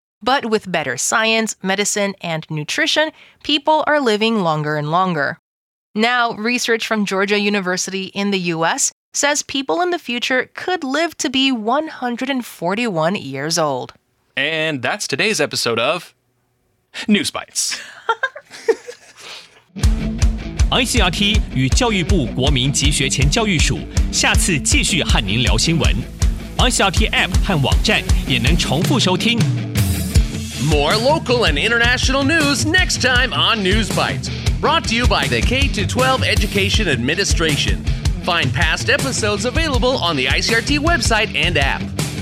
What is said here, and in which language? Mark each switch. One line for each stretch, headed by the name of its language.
English: But with better science, medicine, and nutrition, people are living longer and longer. Now, research from Georgia University in the U.S. says people in the future could live to be 141 years old. And that's today's episode of News Bites.
Chinese: ICRT 与教育部国民及学前教育署下次继续和您聊新闻。 ICRT App 和网站也能重复收听。
English: More local and international news next time on News Bites. Brought to you by the K-12 Education Administration.Find past episodes available on the ICRT website and app.